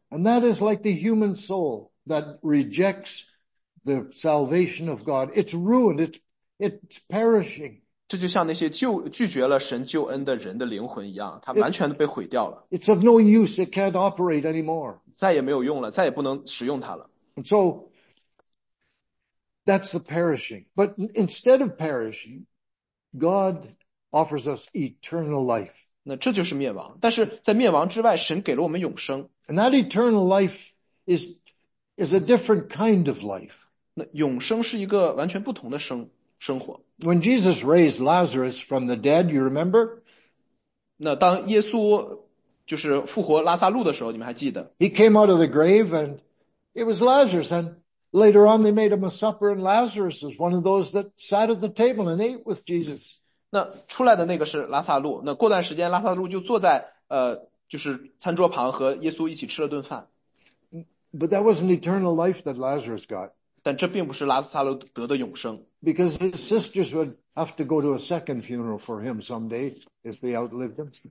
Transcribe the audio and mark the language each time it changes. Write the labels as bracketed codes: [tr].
[en] And that is like the human soul that rejects the salvation of God. It's ruined. It's perishing. [zh] 这就像那些拒绝了神救恩的人的灵魂一样,它完全被毁掉了。 [en] It's of no use. It can't operate anymore. [zh] 再也没有用了,再也不能使用它了。 [en] And so, That's the perishing. But instead of perishing, God offers us eternal life. [zh] 那这就是灭亡, 但是在灭亡之外, [en] and that eternal life is a different kind of life. [zh] 那永生是一个完全不同的生, [en] when Jesus raised Lazarus from the dead, you remember? [zh] 那当耶稣就是复活拉萨路的时候, 你们还记得? [en] He came out of the grave and it was Lazarus. And later on they made him a supper and Lazarus was one of those that sat at the table and ate with Jesus. [zh] 那出来的那个是拉萨路, 那过段时间拉萨路就坐在, 就是餐桌旁和耶稣一起吃了顿饭。 [en] But that was an eternal life that Lazarus got. [zh] 但这并不是拉萨路得的永生。 [en] Because his sisters would have to go to a second funeral for him someday if they outlived him.